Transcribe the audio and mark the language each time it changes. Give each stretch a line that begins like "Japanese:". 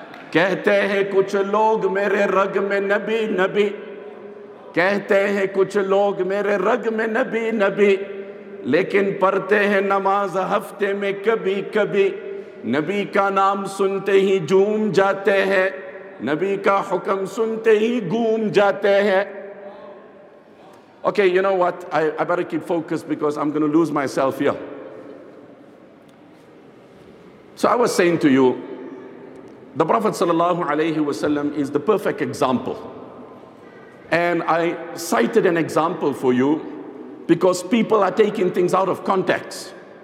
Urdu: Kehte hain kuch log mere rag mein nabi nabi, کہتے ہیں کچھ لوگ میرے رگ میں نبی نبی, لیکن پڑھتے ہیں نماز ہفتے میں کبھی کبھی. نبی کا نام سنتے ہی جھوم جاتے ہیں, نبی کا حکم سنتے ہی گھوم جاتے ہیں.
English: Okay, you know what, I better keep focused because I'm going to lose myself here. So I was saying to you, the Prophet sallallahu alayhi wasallam is the perfect example. And I cited an example for you because people are taking things out of context.